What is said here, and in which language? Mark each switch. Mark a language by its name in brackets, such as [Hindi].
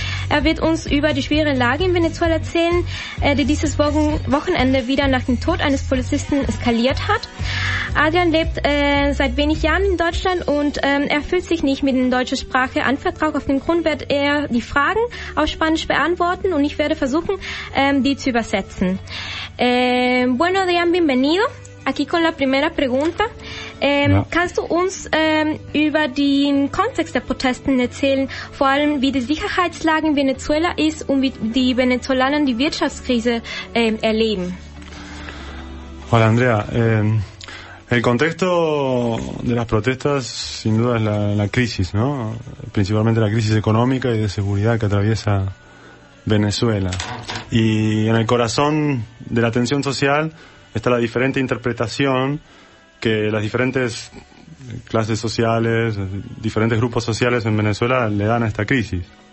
[German] Er wird uns über die schwere Lage in Venezuela erzählen, die dieses Wochenende wieder nach dem Tod eines Polizisten eskaliert hat. Adrian lebt seit wenig Jahren in Deutschland und er fühlt sich nicht mit der deutschen Sprache anvertraut. Auf dem Grund wird er die Fragen auf Spanisch beantworten und ich werde versuchen, die zu übersetzen. [Spanish] Bueno, Adrian, bienvenido. Aquí con la primera pregunta. [German] Kannst du uns über den Kontext der Protesten erzählen, vor allem wie die Sicherheitslage in Venezuela ist und wie die Venezolaner die Wirtschaftskrise erleben? [Spanish] Hola Andrea, el contexto de las protestas sin duda es la crisis, ¿no? Principalmente la crisis económica y de seguridad que atraviesa Venezuela. Y en el corazón de la tensión social está la diferente interpretación que las diferentes clases sociales, diferentes grupos sociales en Venezuela le dan a esta crisis.